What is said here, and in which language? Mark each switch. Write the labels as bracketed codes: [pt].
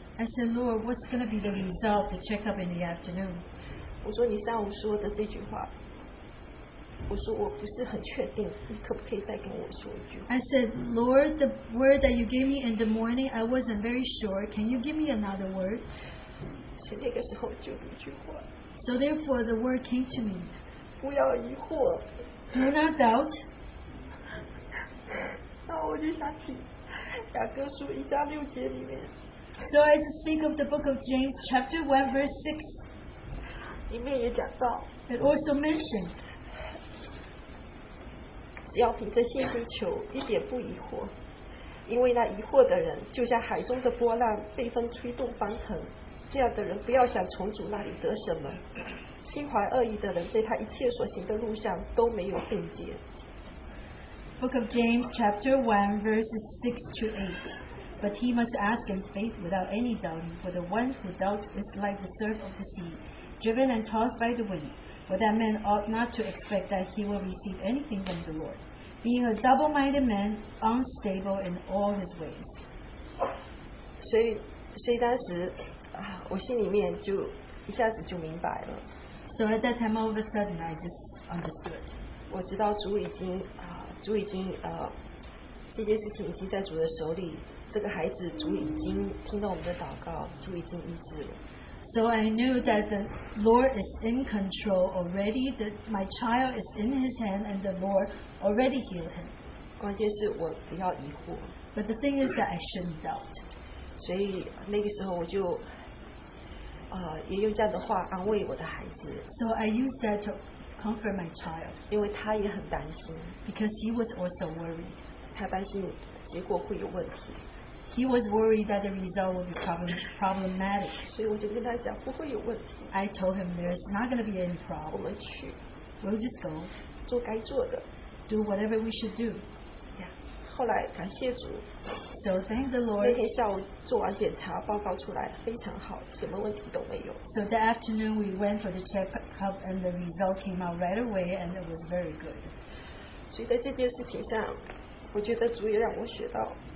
[en] I said, Lord, what's going to be the result of the checkup in the afternoon? [zh] 我说你上午说的这句话，我说我不是很确定，你可不可以再跟我说一句？ [en] I said, Lord, the word that you gave me in the morning, I wasn't very sure. Can you give me another word? [zh] 所以那个时候就有一句话。 [en] So therefore, the word came to me. [zh] 不要疑惑, [en] do not doubt. [zh] 那我就想起雅各书一章六节里面, [en] so I just think of the book of James, chapter 1, verse 6. [zh] 里面也讲到, [en] it also mentioned, [zh] 只要凭着信心求, 一点不疑惑, 因为那疑惑的人, 就像海中的波浪, 被风吹动翻腾, 这样的人不要想从主那里得什么，心怀恶意的人被他一切所行的路上都没有定见。 [en] Book of James, chapter 1, verses 6 to 8. But he must ask in faith without any doubting, for the one who doubts is like the surf of the sea, driven and tossed by the wind. For that man ought not to expect that he will receive anything from the Lord, being a double-minded man, unstable in all his ways. [zh] 所以当时, 我心里面就一下子就明白了, [en] so at that time, all of a sudden, I just understood. [zh] 我知道主已经, 主已经, 这件事情已经在主的手里, 这个孩子主已经听到我们的祷告, 主已经医治了。 [en] So I knew that the Lord is in control already, that my child is in his hand, and the Lord already healed him. [zh] 关键是我不要疑惑, [en] but the thing is that I shouldn't doubt. [zh] 所以那个时候我就, 也用这样的话安慰我的孩子。 [en] So I used that to comfort my child. [zh] 因为他也很担心, [en] because he was also worried. [zh] 他担心结果会有问题。 [en] He was worried that the result would be problematic. [zh] 所以我就跟他讲, 不会有问题。 [en] I told him there's not going to be any problem. [zh] 我们去, [en] we'll just go. [zh] 做该做的, [en] do whatever we should do. [zh] 后来感谢主, [en] so thank the Lord. [zh] 那天下午做完检查, 报告出来, 非常好, 什么问题都没有。 [en] So that afternoon we went for the checkup and the result came out right away and it was very good. [zh] 所以在这件事情上, 我觉得主也让我学到,